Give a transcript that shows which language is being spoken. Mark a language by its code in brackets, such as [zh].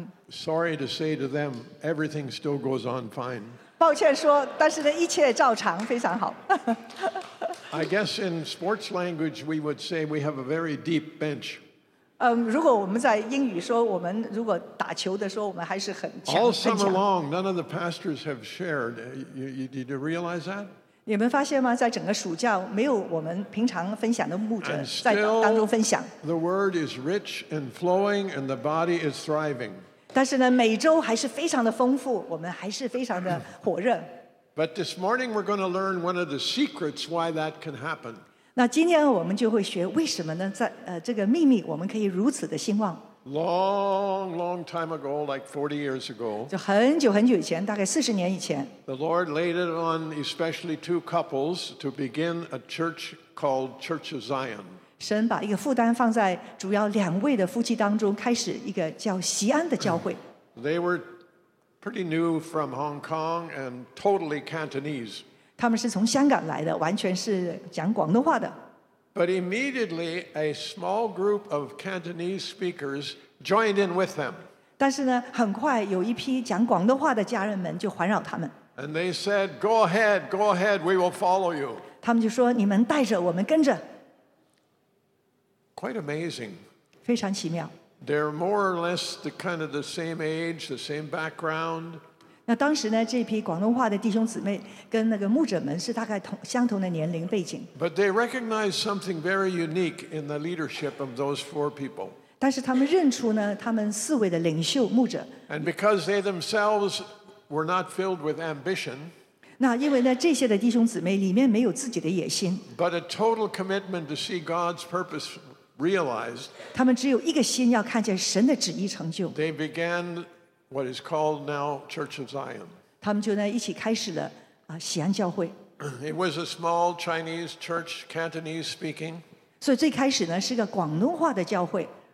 [en] Sorry to say to them, everything still goes on fine. [zh] 抱歉说，但是呢，一切照常，非常好。 [en] I guess in sports language, we would say we have a very deep bench. [zh] 如果我们在英语说，我们如果打球的时候，我们还是很强。 [en] All summer long, none of the pastors have shared. Did you realize that? [zh] 你们发现吗？在整个暑假，没有我们平常分享的牧者在当中分享。 [en] And still, the word is rich and flowing, and the body is thriving. [zh] 但是呢，每周还是非常的丰富，我们还是非常的火热。 [en] But this morning, we're going to learn one of the secrets why that can happen. [zh] 那今天我们就会学为什么呢？在这个秘密，我们可以如此的兴旺。 [en] Long, long time ago, like 40 years ago. [zh] 就很久很久以前，大概40年以前。 [en] The Lord laid it on especially two couples to begin a church called Church of Zion. [zh] 神把一个负担放在主要两位的夫妻当中，开始一个叫锡安的教会。 [en] They were pretty new from Hong Kong and totally Cantonese. [zh] 他们是从香港来的，完全是讲广东话的。 [en] But immediately, a small group of Cantonese speakers joined in with them. [zh] 但是呢，很快有一批讲广东话的家人们就环绕他们。 [en] And they said, "Go ahead, go ahead. We will follow you." [zh] 他们就说：“你们带着我们跟着。” [en] Quite amazing. [zh] 非常奇妙。 [en] They're more or less the kind of the same age, the same background. [zh] 那当时呢，这批广东话的弟兄姊妹跟那个牧者们是大概相同的年龄背景。 [en] But they recognized something very unique in the leadership of those four people. [zh] 但是他们认出呢，他们四位的领袖牧者。 [en] And because they themselves were not filled with ambition. [zh] 那因为呢，这些的弟兄姊妹里面没有自己的野心。 [en] But a total commitment to see God's purpose realized. [zh] 他们只有一个心，要看见神的旨意成就。 [en] They began. What is called now Church of Zion. [zh] 他们就呢一起开始了锡安教会。 [en] It was a small Chinese church, Cantonese speaking. [zh] 所以最开始呢是个广东话的教会。